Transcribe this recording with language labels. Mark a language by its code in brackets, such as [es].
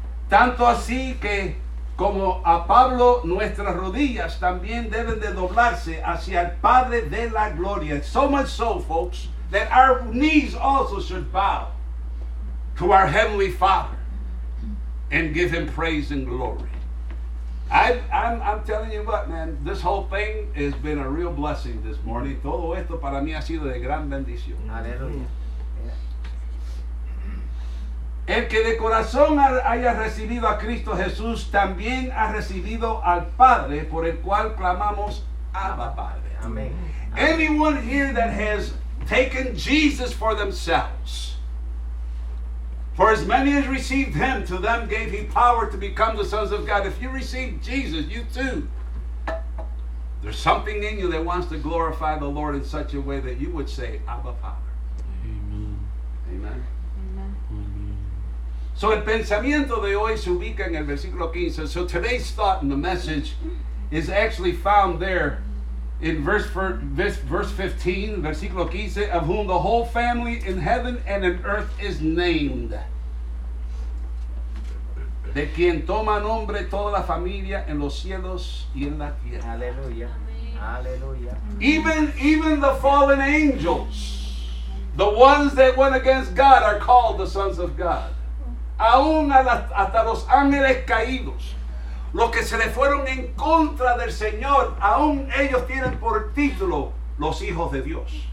[es] Tanto así que como a Pablo, nuestras rodillas también deben de doblarse hacia el Padre de la Gloria. [en] So much so, folks, that our knees also should bow to our Heavenly Father and give Him praise and glory. I'm telling you what, man, this whole thing has been a real blessing this morning. [es] Todo esto para mí ha sido de gran bendición. Aleluya. El que de corazón haya recibido a Cristo Jesús también ha recibido al Padre, por el cual clamamos Abba Padre. [en] Amen. Anyone here that has taken Jesus for themselves, for as many as received him, to them gave he power to become the sons of God. If you received Jesus, you too, there's something in you that wants to glorify the Lord in such a way that you would say Abba Father. Amen. Amen. [es] So el pensamiento de hoy se ubica en el versículo 15. [en] So today's thought in the message is actually found there in verse 15, [es] versículo 15, [en] of whom the whole family in heaven and in earth is named. [es] De quien toma nombre toda la familia en los cielos y en la tierra. Aleluya. Aleluya. [en] Even the fallen angels, the ones that went against God, are called the sons of God. [es] Aún hasta los ángeles caídos, los que se le fueron en contra del Señor, aún ellos tienen por título los hijos de Dios.